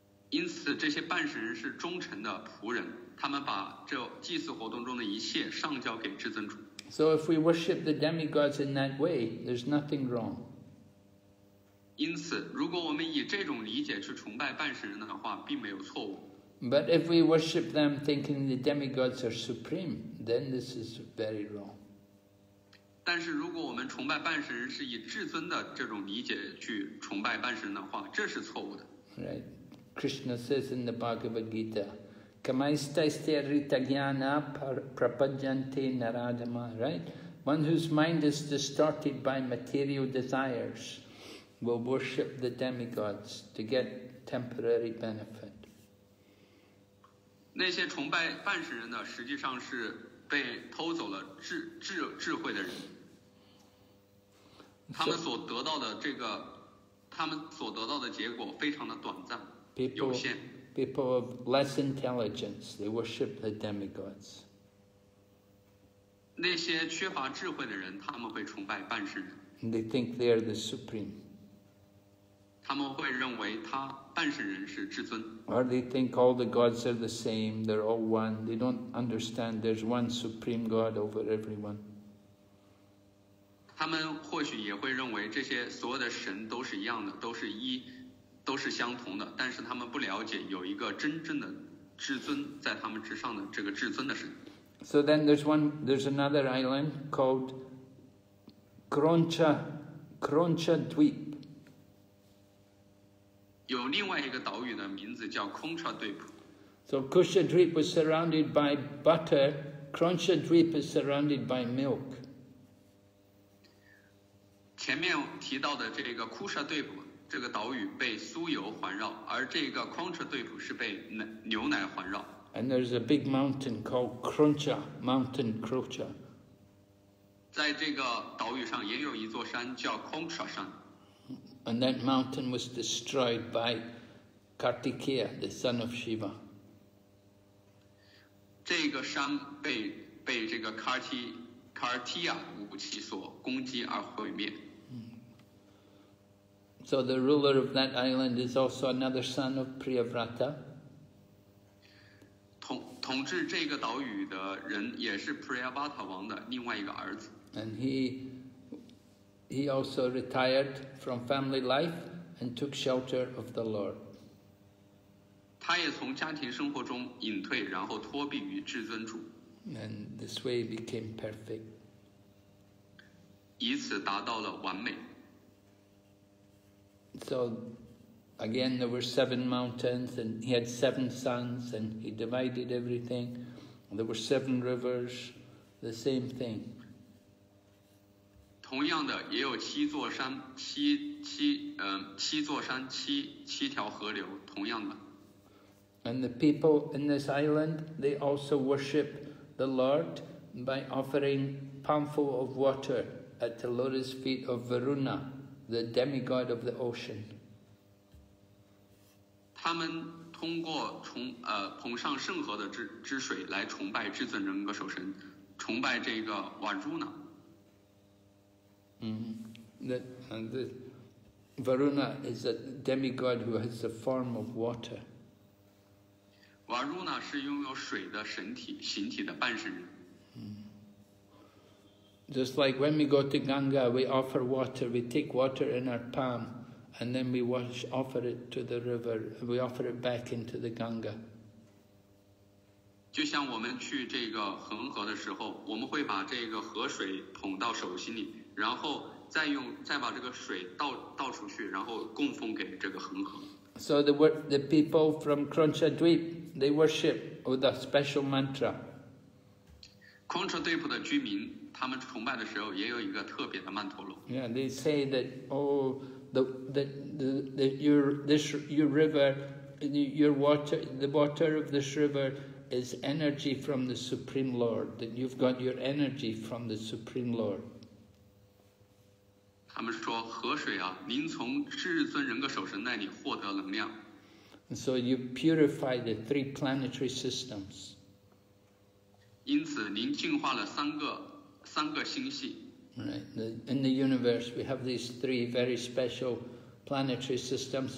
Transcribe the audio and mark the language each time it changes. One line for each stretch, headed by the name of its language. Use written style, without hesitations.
Chinese: 因此，这些办事人是忠诚的仆人，他们把这祭祀活动中的一切上交给至尊主。
English: So if we worship the demigods in that way, there's nothing wrong.
Chinese: 因此，如果我们以这种理解去崇拜半神人的话，并没有错误。
English: But if we worship them thinking the demigods are supreme, then this is very wrong.
Chinese: 但是，如果我们崇拜半神人是以至尊的这种理解去崇拜半神人的话，这是错误的。
English: Right. Krishna says in the Bhagavad Gita.
Sanskrit: Kamaistaistya Rita Jnana Prapajante Naradama,
English: right? One whose mind is distorted by material desires will worship the demigods to get temporary benefit.
Chinese: 那些崇拜半神人呢，实际上是被偷走了智慧的人。他们所得到的这个，他们所得到的结果非常的短暂，有限。
English: People of less intelligence, they worship the demigods.
Chinese: 那些缺乏智慧的人，他们会崇拜半神人。
English: And they think they are the supreme.
Chinese: 他们会认为他半神人是至尊。
English: Or they think all the gods are the same, they're all one. They don't understand there's one supreme god over everyone.
Chinese: 他们或许也会认为这些所有的神都是一样的，都是一。都是相同的，但是他们不了解有一个真正的至尊在他们之上的这个至尊的神。
English: So then there's another island called Kroncha Dweep.
Chinese: 有另外一个岛屿的名字叫 Kroncha Dweep.
English: So Kroncha Dweep was surrounded by butter Kshatriya is surrounded by milk.
Chinese: 前面提到的这个库沙对普这个岛屿被酥油环绕，而这个康彻对普是被牛奶环绕。
English: And there's a big mountain called Kruncha, Mountain Kruncha.
Chinese: 在这个岛屿上也有一座山叫 Kruncha 山。
English: And that mountain was destroyed by Kartikeya, the son of Shiva.
Chinese: 这个山 被这个 Kartikeya 武器所攻击而毁灭。
English: So the ruler of that island is also another son of Priyavrata.
Chinese: 统治这个岛屿的人也是 Priyavrata 王的另外一个儿子。
English: And he also retired from family life and took shelter of the Lord.
Chinese: 他也从家庭生活中隐退，然后托庇于至尊主。
English: And this way became perfect.
Chinese: 以此达到了完美。
English: So, again, there were seven mountains, and he had seven sons, and he divided everything. There were seven rivers, the same thing.
Chinese: 同样的，也有七座山，七座山，七条河流，同样的。
English: And the people in this island, they also worship the Lord by offering palmful of water at the lotus feet of Varuna. The demigod of the ocean.
Chinese: 他们通过捧上圣河的之水来崇拜至尊人格守神，崇拜这个瓦朱纳。
English: The Varuna is a demigod who has the form of water.
Chinese: 瓦朱纳是拥有水的神体形体的半神人。
English: Just like when we go to Ganga, we offer water, we take water in our palm, and then we offer it to the river, we offer it back into the Ganga.
Chinese: 就像我们去这个恒河的时候，我们会把这个河水捧到手心里，然后再把这个水倒出去，然后供奉给这个恒河。
English: So the people from Kruncha-dweep, they worship with a special mantra.
Chinese: Kruncha-dweep 的居民他们崇拜的时候也有一个特别的曼陀罗。
English: Yeah, they say that, oh, your river, your water, the water of this river is energy from the Supreme Lord, that you've got your energy from the Supreme Lord.
Chinese: 他们说河水啊，您从至尊人格守神那里获得能量。
English: And so you purify the three planetary systems.
Chinese: 因此您净化了三个星系。
English: Right. In the universe, we have these three very special planetary systems.